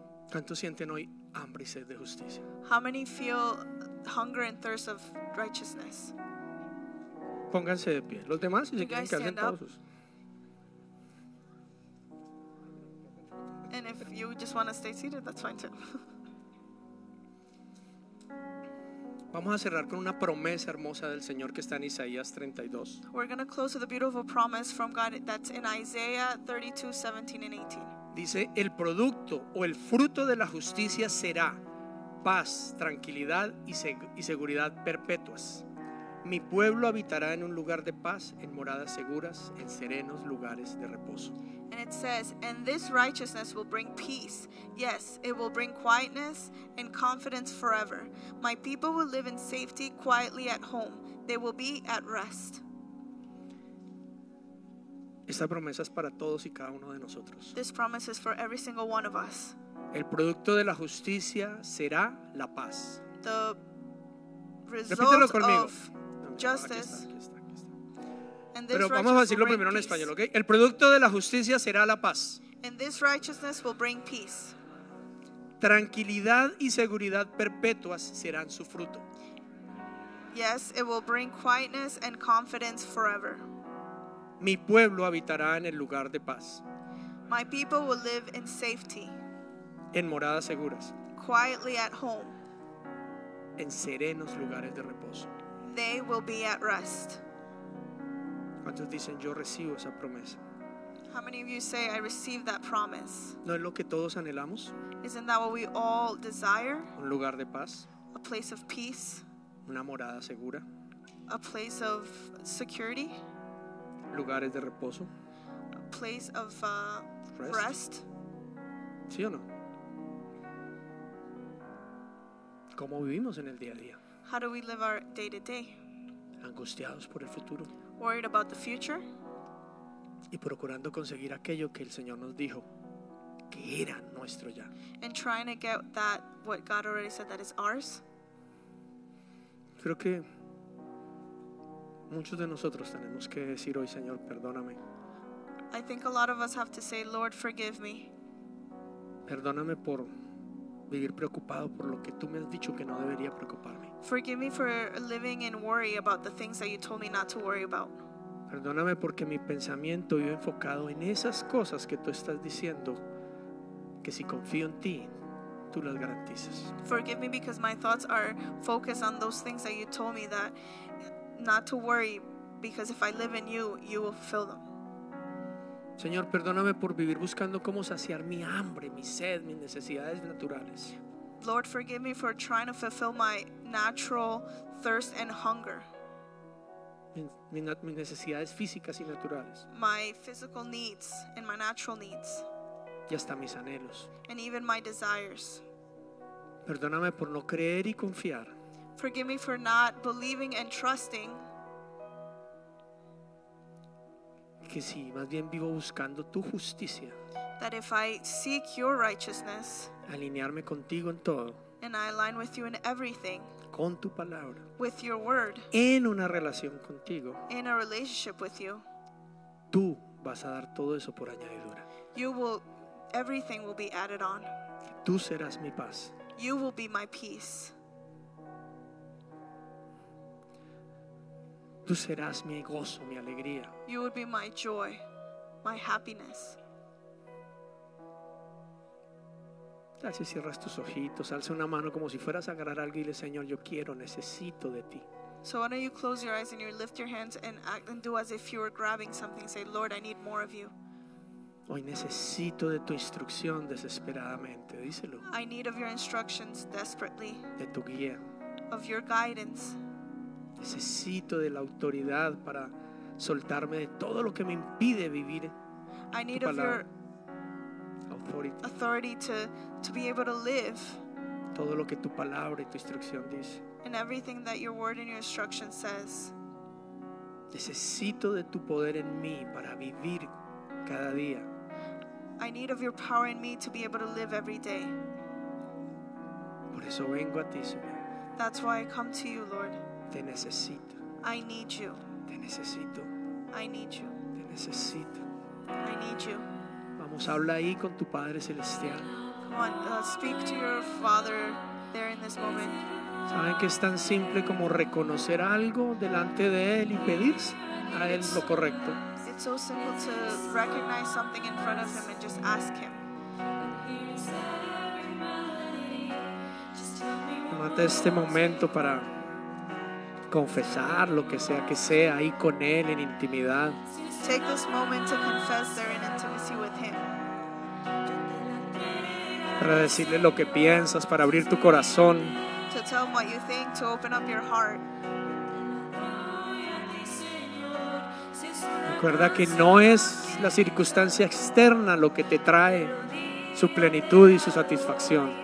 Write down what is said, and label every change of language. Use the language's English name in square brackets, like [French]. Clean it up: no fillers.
[Spanish] ¿Cuántos sienten hoy hambre y sed de justicia? [English] How many feel hunger and thirst of righteousness? [Spanish] Pónganse de pie. Los demás, si se quieren, que hacen todos sus. [English] And if you just want to stay seated, that's fine too. [Spanish] Vamos a cerrar con una promesa hermosa del Señor que está en Isaías 32. [English] We're going to close with a beautiful promise from God that's in Isaiah 32, 17 and 18. [Spanish] Dice, el producto o el fruto de la justicia será paz, tranquilidad y seguridad perpetuas. Mi pueblo habitará en un lugar de paz, en moradas seguras, en serenos lugares de reposo. [English] And it says, and this righteousness will bring peace. Yes, it will bring quietness and confidence forever. My people will live in safety, quietly at home. They will be at rest. [Spanish] Esta promesa es para todos y cada uno de nosotros. [English] This promise is for every single one of us. [Spanish] El producto de la justicia será la paz. [English] The result of justice. [Spanish] Pero vamos a decirlo primero en español, ¿ok? El producto de la justicia será la paz. [English] And this righteousness will bring peace. [Spanish] Tranquilidad y seguridad perpetuas serán su fruto. [English] Yes, it will bring quietness and confidence forever. [Spanish] Mi pueblo habitará en el lugar de paz. [English] My people will live in safety. [Spanish] En moradas seguras. [English] Quietly at home. [Spanish] En serenos lugares de reposo. [English] They will be at rest. [Spanish] ¿Cuántos dicen yo recibo esa promesa? [English] How many of you say I receive that promise? [Spanish] ¿No es lo que todos anhelamos? [English] Isn't that what we all desire? [Spanish] Un lugar de paz. [English] A place of peace. [Spanish] Una morada segura. [English] A place of security. [Spanish] Lugares de reposo. [English] A place of rest. [Spanish] ¿Sí o no? ¿Cómo vivimos en el día a día? [English] How do we live our day to day? [Spanish] Angustiados por el futuro. [English] Worried about the future. [Spanish] Y procurando conseguir aquello que el Señor nos dijo que era nuestro ya. [English] And trying to get that what God already said that is ours. [Spanish] Creo que muchos de nosotros tenemos que decir hoy, Señor, perdóname. [English] I think a lot of us have to say, Lord, forgive me. [Spanish] Perdóname por vivir preocupado por lo que tú me has dicho que no debería preocuparme. [English] Forgive me for living in worry about the things that you told me not to worry about. [Spanish] Perdóname porque mi pensamiento iba enfocado en esas cosas que tú estás diciendo que si confío en ti, tú las garantizas. [English] Forgive me because my thoughts are focused on those things that you told me that not to worry because if I live in you, you will fulfill them. [Spanish] Señor, perdóname por vivir buscando cómo saciar mi hambre, mi sed, mis necesidades naturales. [English] Lord, forgive me for trying to fulfill my natural thirst and hunger. [Spanish] Mis necesidades físicas y naturales. [English] My physical needs and my natural needs. [Spanish] Y hasta mis anhelos. [English] And even my desires. [Spanish] Perdóname por no creer y confiar. [English] Forgive me for not believing and trusting. [Spanish] Que si más bien vivo buscando tu justicia. [English] That if I seek your righteousness. [Spanish] Alinearme contigo en todo. [English] And I align with you in everything. [Spanish] Con tu palabra. [English] With your word. [Spanish] En una relación contigo. [English] In a relationship with you. [Spanish] Tú vas a dar todo eso por añadidura. [English] You will, everything will be added on. [Spanish] Tú serás mi paz. [English] You will be my peace. [Spanish] Tú serás mi gozo, mi alegría. [English] You will be my joy, my happiness. [Spanish] Así cierras tus ojitos, alza una mano como si fueras a agarrar algo y dile, Señor, yo quiero, necesito de ti. [English] So why don't you close your eyes and you lift your hands and act and do as if you were grabbing something. Say, Lord, I need more of you. [Spanish] Hoy necesito de tu instrucción desesperadamente, díselo. [English] I need of your instructions desperately. [Spanish] De tu guía. [English] Of your guidance. [Spanish] Necesito de la autoridad para soltarme de todo lo que me impide vivir. [English] I need of your authority to be able to live. [Spanish] Todo lo que tu palabra y tu instrucción dice. [English] And everything that your word and your instruction says. [Spanish] Necesito de tu poder en mí para vivir cada día. [English] I need of your power in me to be able to live every day. [Spanish] Por eso vengo a ti, Señor. [English] That's why I come to you, Lord. [Spanish] Te necesito. [English] I need you. [Spanish] Te necesito. [English] I need you. [Spanish] Te necesito. [English] I need you. [Spanish] Vamos, habla ahí con tu Padre Celestial. [English] Come on, speak to your Father there in this moment. [Spanish] Saben que es tan simple como reconocer algo delante de Él y pedir a Él lo correcto. [English] It's so simple to recognize something in front of Him and just ask Him. [Spanish] Tómate este momento para confesar lo que sea ahí con Él en intimidad. [English] Take this moment to confess there in intimacy with Him. [Spanish] Para decirle lo que piensas, para abrir tu corazón. [English] To tell Him what you think, to open up your heart. [Spanish] Recuerda que no es la circunstancia externa lo que te trae su plenitud y su satisfacción.